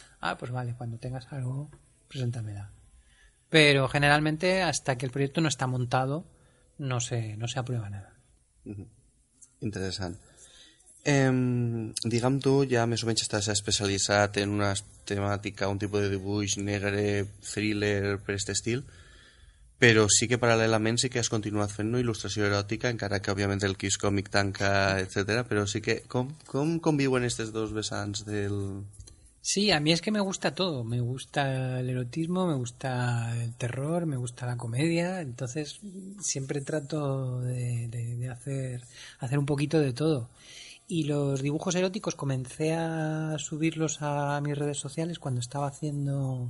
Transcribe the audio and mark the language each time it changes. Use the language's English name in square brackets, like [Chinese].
[Spanish] Ah, pues vale, cuando tengas algo, preséntamela. Pero generalmente, hasta que el proyecto no está montado, no se aprueba nada. Interesante. Digamos tú, ya más o menos estás especializado en una temática, un tipo de [Catalan] dibuix negre, [Spanish] thriller, per este estilo. [Catalan] Però sí que paral·lelament sí que has continuat fent il·lustració eròtica, encara que òbviament el Kiss Comic tanca, etc. Però sí que com conviuen aquestes dos vessants del... [Spanish] Sí, a mí es que me gusta todo. Me gusta el erotismo, me gusta el terror, me gusta la comedia. Entonces siempre trato de hacer un poquito de todo. Y los dibujos eróticos comencé a subirlos a mis redes sociales cuando estaba haciendo...